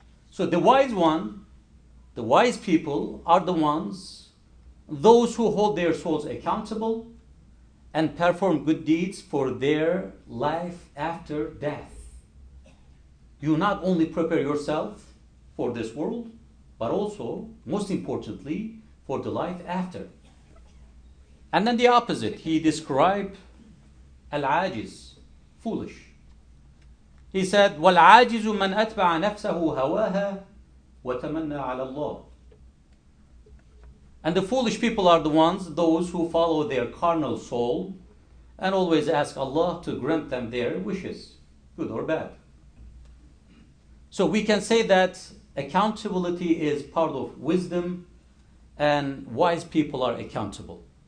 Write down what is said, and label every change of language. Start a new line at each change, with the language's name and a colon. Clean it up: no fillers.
English: So the wise one, the wise people are the ones, those who hold their souls accountable and perform good deeds for their life after death. You not only prepare yourself for this world, but also, most importantly, for the life after. And then the opposite, he described al-ajiz, foolish. He said,
Arabic: وَالْعَاجِزُ مَنْ أَتْبَعَ نَفْسَهُ هَوَاهَا وَتَمَنَّى عَلَى اللَّهِ.
English: And the foolish people are the ones, those who follow their carnal soul and always ask Allah to grant them their wishes, good or bad. So we can say that accountability is part of wisdom and wise people are accountable.